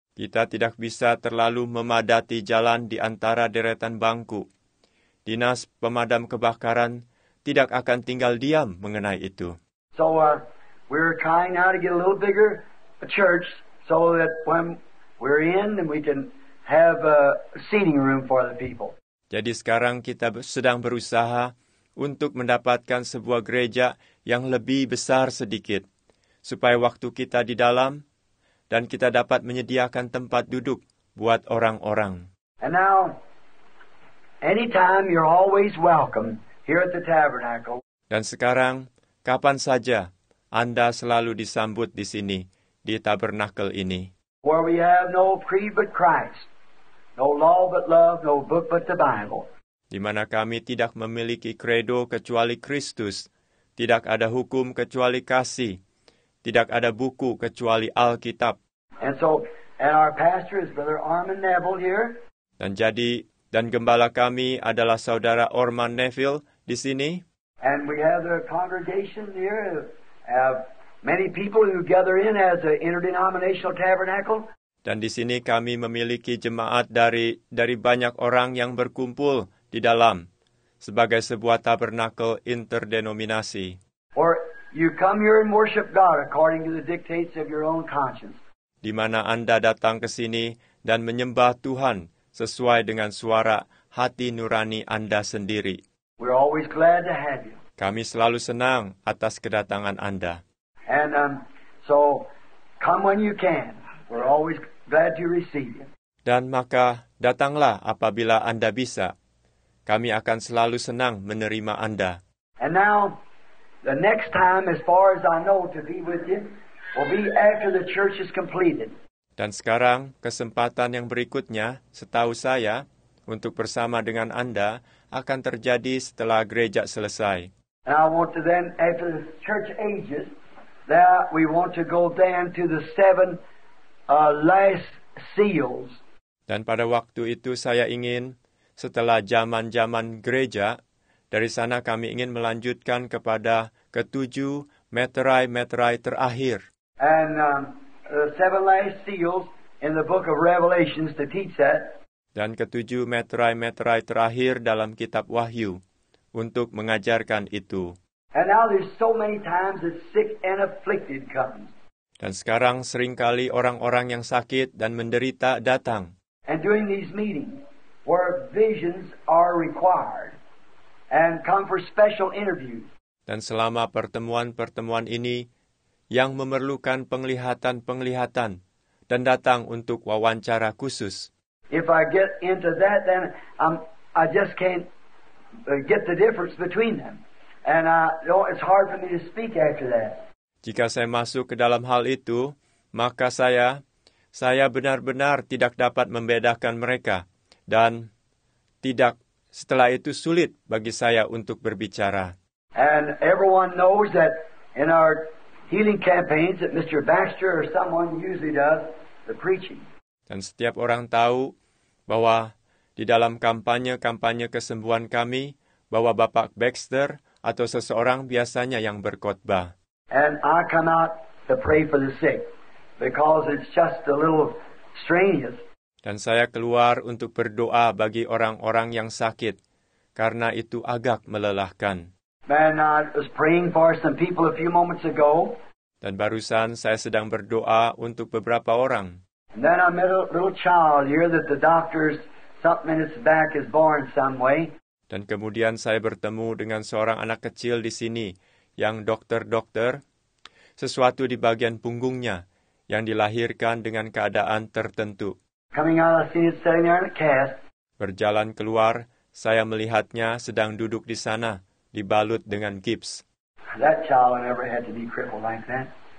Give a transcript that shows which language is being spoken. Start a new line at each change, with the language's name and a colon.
Indonesian: Kita tidak bisa terlalu memadati jalan di antara deretan bangku. Dinas pemadam kebakaran tidak akan tinggal diam mengenai itu.
English: So we're trying now to get a little bigger a church so that when we're in and we can have a seating room for the people.
Indonesian: Jadi sekarang kita sedang berusaha untuk mendapatkan sebuah gereja yang lebih besar sedikit supaya waktu kita di dalam dan kita dapat menyediakan tempat duduk buat orang-orang.
English: And now, anytime you're always welcome here at the tabernacle.
Indonesian: Dan sekarang, kapan saja Anda selalu disambut di sini, di tabernacle ini.
English: Where we have no creed but Christ, no law but love, no book but the Bible.
Indonesian: Di mana kami tidak memiliki credo kecuali Kristus, tidak ada hukum kecuali kasih, tidak ada buku kecuali Alkitab.
English: And so, and our pastor is Brother Armand Neville here.
Indonesian: Dan gembala kami adalah Saudara Armand Neville di sini.
English: And we have the congregation here of many people who gather in as an interdenominational tabernacle.
Indonesian: Dan di sini kami memiliki jemaat dari banyak orang yang berkumpul di dalam sebagai sebuah tabernacle interdenominasi.
English: Or you come here and worship God according to the dictates of your own conscience.
Indonesian: Di mana Anda datang ke sini dan menyembah Tuhan sesuai dengan suara hati nurani Anda sendiri.
English: We're always glad to have you.
Indonesian: Kami selalu senang atas kedatangan Anda.
English: And so come when you can. We're always glad to receive you.
Indonesian: Dan maka datanglah apabila Anda bisa. Kami akan selalu senang menerima Anda.
English: And now the next time as far as I know to be with you will be after the church is completed.
Indonesian: Dan sekarang kesempatan yang berikutnya setahu saya untuk bersama dengan Anda akan terjadi setelah gereja selesai.
English: And I want to then, after the church ages, that we want to go then to the seven last seals.
Indonesian: Dan pada waktu itu saya ingin, setelah zaman-zaman gereja, dari sana kami ingin melanjutkan kepada ketujuh meterai-meterai terakhir.
English: And the seven last seals in the book of Revelations to teach that.
Indonesian: Dan ketujuh meterai-meterai terakhir dalam kitab Wahyu untuk mengajarkan itu.
English: And now there's so many times that sick and afflicted comes.
Indonesian: Dan sekarang seringkali orang-orang yang sakit dan menderita datang.
English: And during these meetings where visions are required and come for special interviews.
Indonesian: Dan selama pertemuan-pertemuan ini yang memerlukan penglihatan-penglihatan dan datang untuk wawancara khusus.
English: If I get into that, then I just can't get the difference between them, and it's hard for me to speak after that.
Indonesian: Jika saya masuk ke dalam hal itu, maka saya benar-benar tidak dapat membedakan mereka, dan tidak setelah itu sulit bagi saya untuk berbicara.
English: And everyone knows that in our healing campaigns that Mr. Baxter or someone usually does the preaching.
Indonesian: Dan setiap orang tahu bahwa di dalam kampanye-kampanye kesembuhan kami, bahwa Bapak Baxter atau seseorang biasanya yang berkhotbah.
English: And I cannot pray for the sick because it's just a little strenuous.
Indonesian: Dan saya keluar untuk berdoa bagi orang-orang yang sakit, karena itu agak melelahkan.
English: And I was praying for some people a few moments ago.
Indonesian: Dan barusan saya sedang berdoa untuk beberapa orang.
English: And then I met a little child here that the doctors, something in his back is born some way.
Indonesian: Dan kemudian saya bertemu dengan seorang anak kecil di sini, yang dokter-dokter, sesuatu di bagian punggungnya, yang dilahirkan dengan keadaan tertentu.
English: Coming out, I see it sitting there in a cast.
Indonesian: Berjalan keluar, saya melihatnya sedang duduk di sana, dibalut dengan gips.
English: That child never had to be crippled like that.